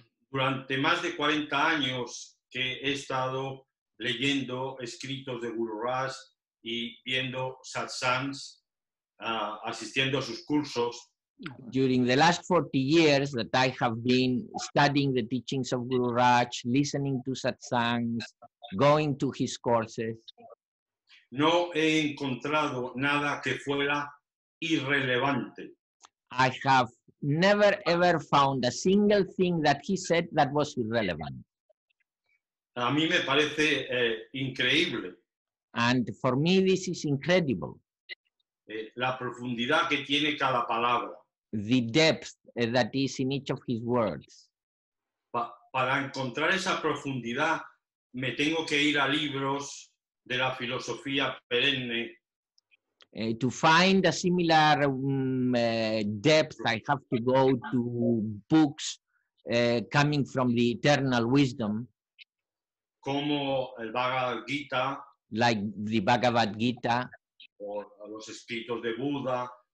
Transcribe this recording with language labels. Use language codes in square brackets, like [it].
[es] Durante más de 40 años que he estado leyendo escritos de Guru Raj y viendo satsangs, asistiendo a sus cursos. [en] During the last 40 years that I have been studying the teachings of Guru Raj, listening to satsangs, going to his courses. [es] No he encontrado nada que fuera irrelevante. [en] I have never ever found a single thing that he said that was irrelevant. [es] A mí me parece increíble. [en] And for me this is incredible. [es] La profundidad que tiene cada palabra. [en] The depth that is in each of his words. [es] Para encontrar esa profundidad me tengo que ir a libros de la filosofía perenne. [en] To find a similar depth, I have to go to books coming from the eternal wisdom. [es] Como el Bhagavad Gita. [en] Like the Bhagavad Gita. [es] Or los escritos de Buda.